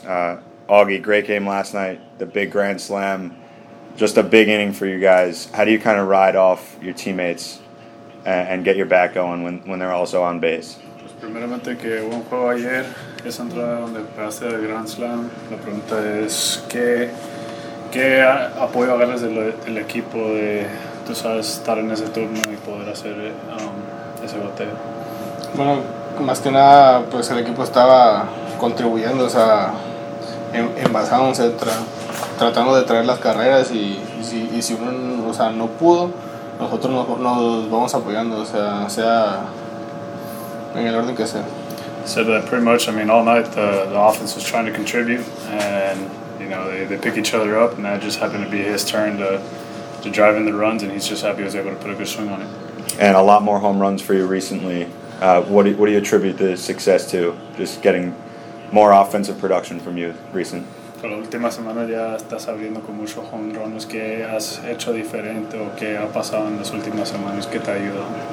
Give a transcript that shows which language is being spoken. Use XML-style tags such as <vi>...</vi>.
<en>Augie, great game last night, the big grand slam, just a big inning for you guys. How do you kind of ride off your teammates and get your bat going when they're also on base?</en> <es>Primeramente que buen juego ayer, esa entrada donde pegaste el Grand Slam. La pregunta es qué apoyo agarras del equipo de tú sabes estar en ese turno y poder hacer ese bateo. Bueno, más que nada pues el equipo estaba contribuyendo, o sea, envasándose, tratando de traer las carreras y si uno, o sea, no pudo, nosotros nos vamos apoyando, o sea, sea en el orden que sea.</es> <en>So that pretty much, I mean, all night the offense was trying to contribute, and you know they pick each other up, and that just happened to be his turn to drive in the runs, and he's just happy he was able to put a good swing on it. And a lot more home runs for you recently. What do you attribute the success to? Just getting more offensive production from you recent.</en> <es>La última semana ya estás abriendo con muchos home runs. ¿Qué has hecho diferente o qué ha pasado en las últimas semanas que te ayudó?</es>